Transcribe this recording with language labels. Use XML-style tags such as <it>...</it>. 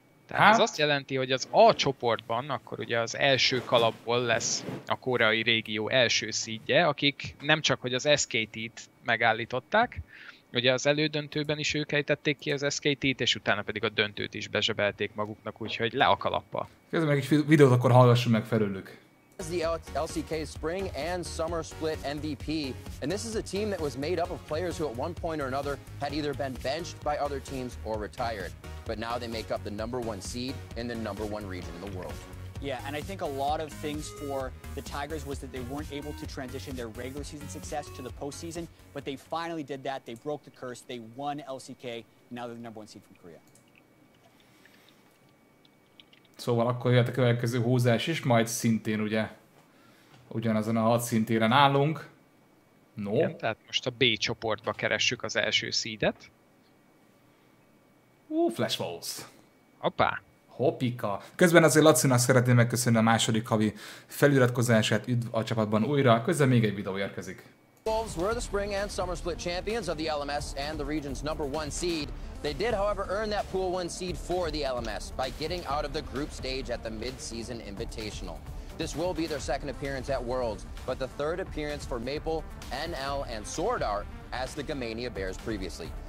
<hu>Tehát ez azt jelenti, hogy az A csoportban akkor ugye az első kalapból lesz a koreai régió első szídje, akik nem csak hogy az SKT-t megállították, ugye az elődöntőben is ők ejtették ki az SKT-t, és utána pedig a döntőt is bezsebelték maguknak, úgyhogy le a kalappa. Kérdezem meg egy videót, akkor hallgassunk meg felőlük.</hu> <en>Is the LCK Spring and Summer Split MVP, and this is a team that was made up of players who at one point or another had either been benched by other teams or retired, but now they make up the number one seed in the number one region in the world. Yeah, and I think a lot of things for the Tigers was that they weren't able to transition their regular season success to the postseason, but they finally did that, they broke the curse, they won LCK, and now they're the number one seed from Korea.</en> <hu>Szóval akkor jöhet a következő húzás is, majd szintén ugye ugyanazon a hat szintéren állunk.</hu> <en>No.</en> <hu>Igen, tehát most a B csoportba keressük az első seedet.</hu> <en>Flash Balls.</en> <hu>Hoppá. Hopika. Közben azért Lacinak szeretném megköszönni a második havi feliratkozását, üdv a csapatban újra. Közben még egy videó érkezik.</hu> <en>Wolves were the spring and summer split champions of the LMS and the region's number one seed. They did, however, earn that pool one seed for the LMS by getting out of the group stage at the mid-season invitational. This will be their second appearance at Worlds, but the third appearance for Maple, NL, and Sword Art as the Gamania Bears previously.</en>